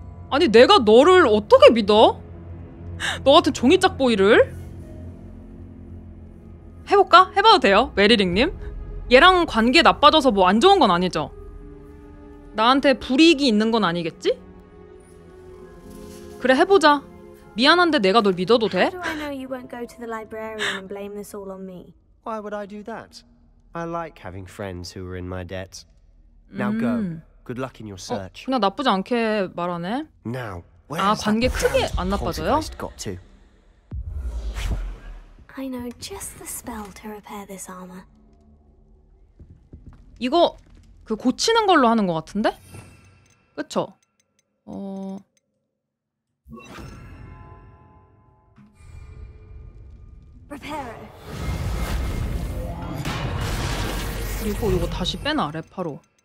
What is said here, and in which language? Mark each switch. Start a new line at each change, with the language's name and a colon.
Korean: 아니, 내가 너를 어떻게 믿어? 너 같은 종이짝보이를? 해볼까? 해봐도 돼요? 메리링님? 얘랑 관계 나빠져서 뭐 안 좋은 건 아니죠? 나한테 불이익이 있는 건 아니겠지? 그래 해보자. 미안한데 내가 널 믿어도 돼?
English: How do I know you won't go to the librarian and blame this all on me? Why would I do that? I like having friends who are in my debt. Now go. Good luck in your search.
Korean: 그냥 나쁘지 않게 말하네.
English: Now,
Korean: 아 관계 크게 안 나빠져요?
English: I know just the spell to repair this armor.
Korean: 이거 그 고치는 걸로 하는 것 같은데? 그쵸? 그리고 이거 다시 빼놔, 레파로.